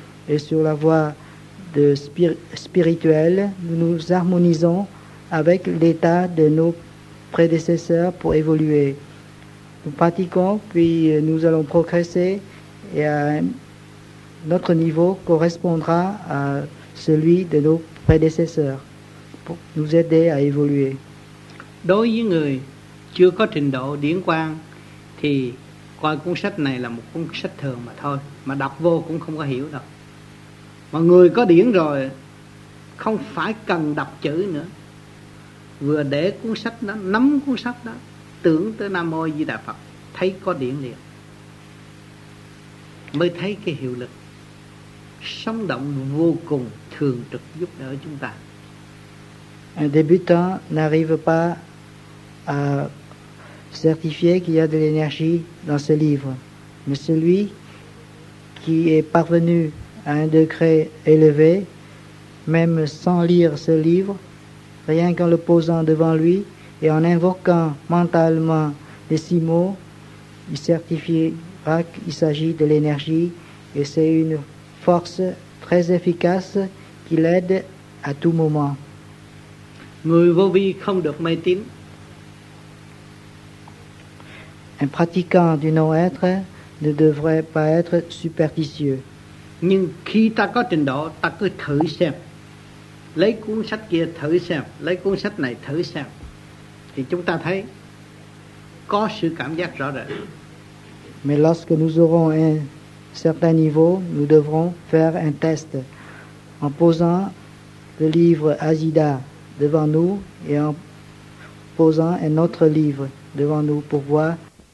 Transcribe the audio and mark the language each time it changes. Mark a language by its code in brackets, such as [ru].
[fr] Et sur la voie de spirituelle, nous nous harmonisons avec l'état de nos prédécesseurs pour évoluer. Nous pratiquons, puis nous allons progresser et notre niveau correspondra à celui de nos prédécesseurs pour nous aider à évoluer. [vi] Đối với người chưa có trình độ điển quang thì coi cuốn sách này là một cuốn sách thường mà thôi, mà đọc vô cũng không có hiểu đâu. Mà người có điển rồi không phải cần đọc chữ nữa, vừa để cuốn sách đó, nắm cuốn sách đó, tưởng tới Nam Mô Di Đà Phật, thấy có điển liền, mới thấy cái hiệu lực sống động vô cùng thường trực giúp đỡ chúng ta. [fr] Un débutant n'arrive pas à certifier qu'il y a de l'énergie dans ce livre, mais celui qui est parvenu à un degré élevé, même sans lire ce livre, rien qu'en le posant devant lui et en invoquant mentalement les six mots, il certifiera qu'il s'agit de l'énergie et c'est une force très efficace qui l'aide à tout moment. [vi] Người vô vi không được mê tín. [fr] Un pratiquant du non-être ne devrait pas être superstitieux. [vi] Nhưng khi ta có trình độ, ta cứ thử xem. Lấy cuốn sách kia thử xem, lấy cuốn sách này thử xem. Thì chúng ta thấy có sự cảm giác rõ rệt. [fr] Mais lorsque nous aurons un certain niveau, nous devrons faire un test en posant le livre Asida devant nous et en posant un autre livre devant nous pour voir